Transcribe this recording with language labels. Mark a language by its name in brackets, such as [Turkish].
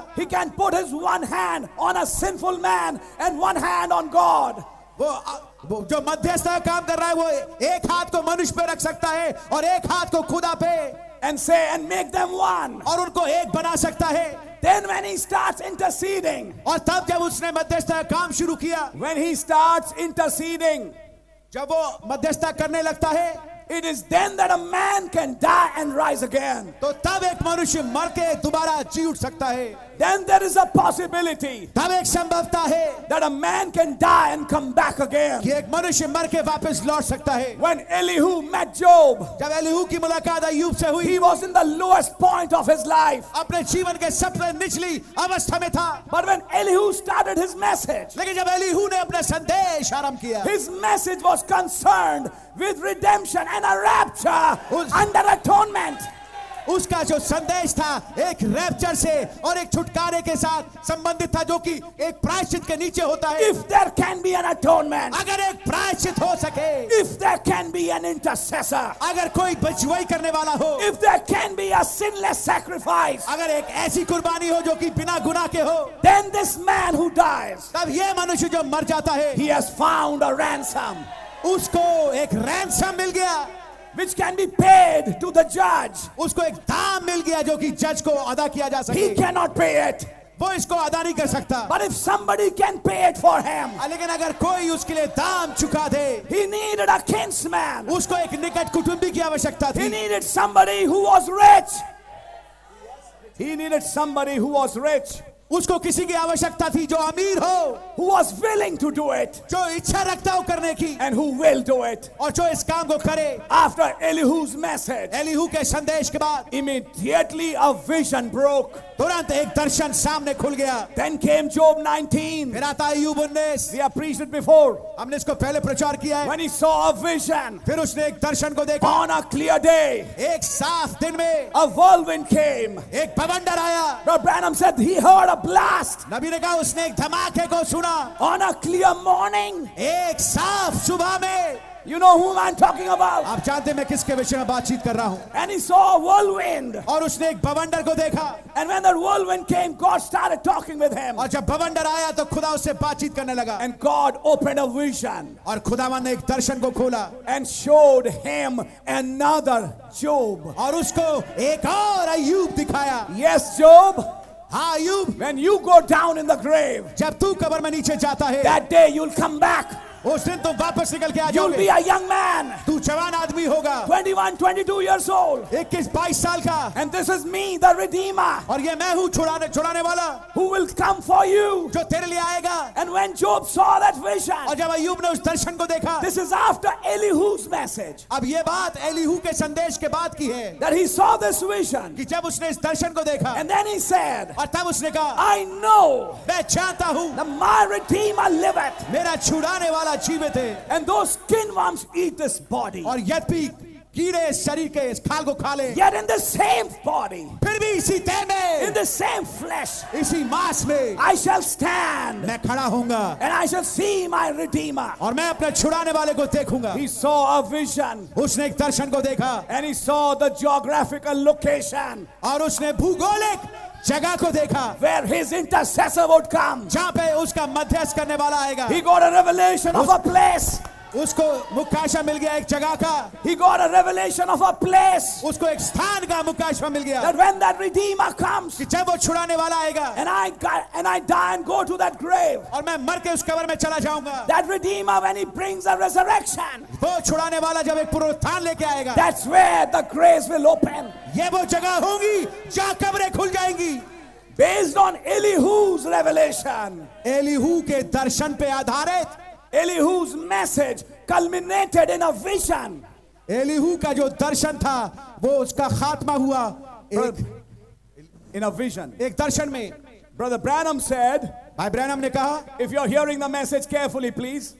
[English] He can put his one hand on a sinful man and one hand on God. [Hindi] वो जो मध्यस्थ काम कर रहा है वो एक हाथ को मनुष्य पे रख सकता है और एक हाथ को खुदा पे [English] and say and make them one. [Hindi] और उनको एक बना सकता है. [English] Then when he starts interceding. [Hindi] और तब जब उसने मध्यस्थ काम शुरू किया. [English] When he starts interceding. [Hindi] जब वो मध्यस्थ करने लगता है. [English] It is then that a man can die and rise again. [Hindi] तो तब एक मनुष्य मर के दोबारा जी उठ सकता है. [English] Then there is a possibility. [Hindi] तब एक संभवता है. [English] That a man can die and come back again. [Hindi] कि एक मनुष्य मर के वापस लौट सकता है. [English] When Elihu met Job. [Hindi] जब एलिहू की मुलाकात अय्यूब से हुई. [English] He was in the lowest point of his life. [Hindi] अपने जीवन के सबसे निचली अवस्था में था. [English] But when Elihu started his message. [Hindi] लेकिन जब एलिहू ने अपना संदेश आरंभ किया. [English] His message was concerned with redemption and a rapture under atonement. [Hindi] उसका जो संदेश था एक रैप्चर से और एक छुटकारे के साथ संबंधित था जो कि एक प्रायश्चित के नीचे होता है. [English] If there can be an atonement, [Hindi] अगर एक प्रायश्चित हो सके. [English] If there can be an intercessor, [Hindi] अगर कोई बचवाई करने वाला हो. [English] If there can be a sinless sacrifice, [Hindi] अगर एक ऐसी कुर्बानी हो जो कि बिना गुनाह के हो. [English] Then this man who dies, [Hindi] तब ये मनुष्य जो मर जाता है. [English] He has found a ransom, [Hindi] उसको एक रैंसम मिल गया. [English] Which can be paid to the judge. [Hindi] उसको एक दाम मिल गया जो कि जज को अदा किया जा सके. [English] He cannot pay it. [Hindi] वो इसको अदा नहीं कर सकता. [English] But if somebody can pay it for him. [Hindi] लेकिन अगर कोई उसके लिए दाम चुका दे. [English] He needed a kinsman. [Hindi] उसको एक निकट कुटुंबी की आवश्यकता थी. [English] He needed somebody who was rich. He needed somebody who was rich. [Hindi] उसको किसी की आवश्यकता थी जो अमीर हो. [English] Who was willing to do it. [Hindi] जो इच्छा रखता हो करने की. [English] And who will do it. [Hindi] और जो इस काम को करे. [English] After Elihu's message. [Hindi] Elihu के संदेश के बाद. [English] Immediately a vision broke. [Hindi] तुरंत एक दर्शन सामने खुल गया. [English] Then came Job 19. [Hindi] फिर आता अय्यूब 19. [English] We have preached it before. [Hindi] हमने इसको पहले प्रचार किया है. [English] When he saw a vision. [Hindi] फिर उसने एक दर्शन को देखा. [English] On a clear day. [Hindi] एक साफ दिन में. [English] A whirlwind came. [Hindi] एक बवंडर आया. [English] Brother Branham said he heard a blast. [Hindi] नबी ने कहा उसने एक धमाके को सुना. [English] On a clear morning. [Hindi] एक साफ सुबह में. [English] You know whom I'm talking about. [Hindi] आप जानते हैं मैं किसके विषय में बातचीत कर रहा हूँ. [English] And he saw a whirlwind. [Hindi] और उसने एक बवंडर को देखा. [English] And when that whirlwind came, God started talking with him. [Hindi] और जब बवंडर आया तो खुदा उससे बातचीत करने लगा. [English] And God opened a vision. [Hindi] और खुदावन ने एक दर्शन को खोला. [English] And showed him another Job. [Hindi] और उसको एक और अय्यूब दिखाया. [English] Yes, Job. [Hindi] हाँ अय्यूब. [English] When you go down in the grave, [Hindi] जब तू कब्र में नीचे जाता है. [English] That day you'll come back. [Hindi] उस दिन तुम वापस निकल के आ जाओगे. [English] You'll be a young man. [Hindi] तू जवान आदमी होगा. [English] 21, 22 years old. [Hindi] 21, 22 साल का. [English] And this is me, the Redeemer. [Hindi] और ये मैं हूँ छुड़ाने वाला. [English] Who will come for you? [Hindi] जो तेरे लिए आएगा. [English] And when Job saw that vision. [Hindi] और जब अय्यूब ने उस दर्शन को देखा. [English] This is after Elihu's message. [Hindi] अब ये बात एलिहू के संदेश के बाद की है. [English] That he saw this vision. [Hindi] कि जब उसने इस दर्शन को देखा. [English] And then he said. [Hindi] और तब उसने कहा. [English] I know. [Hindi] मैं जानता हूँ. [English] That my Redeemer liveth. [Hindi] मेरा छुड़ाने वाला. [English] And those skin worms eat this body. [Hindi] और यद भी कीड़े शरीर के इस खाल को खा ले. [English] Yet in the same body. [Hindi] फिर भी इसी देह में. [English] In the same flesh. [Hindi] इसी मांस में. [English] I shall stand. [Hindi] मैं खड़ा होऊंगा. [English] And I shall see my Redeemer. [Hindi] और मैं अपने छुड़ाने वाले को देखूंगा. [English] He saw a vision. [Hindi] उसने एक दर्शन को देखा. [English] And he saw the geographical location. [Hindi] और उसने भूगोलिक जगह को देखा. [English] Where his intercessor would come. [Hindi] जहां पे उसका मध्यस्थ करने वाला आएगा. [English] He got a revelation of a place. [Hindi] उसको मुकाशा मिल गया एक जगह का [English] he got a revelation of a place [Hindi] उसको एक स्थान का मुकाशा मिल गया [English] that when that redeemer comes [Hindi] कि जब वो छुड़ाने वाला आएगा [English] and I die and go to that grave [Hindi] और मैं मर के उस कब्र में चला जाऊंगा [English] that redeemer when he brings a resurrection [Hindi] वो छुड़ाने वाला जब एक पुनरुत्थान लेके आएगा [English] that's where the grave will open [Hindi] ये वो जगह होगी जहां कब्रें खुल जाएंगी [English] based on elihu's revelation [Hindi] elihu के दर्शन पे आधारित [English] Elihu's message culminated in a vision. [Hindi] Elihu ka jo darshan tha, wo uska khatma hua [English] in a vision. [Hindi] Ek darshan mein. [English] Brother Branham said, [Hindi] "Bhai Branham ne kaha, [English] if you're hearing the message carefully, please.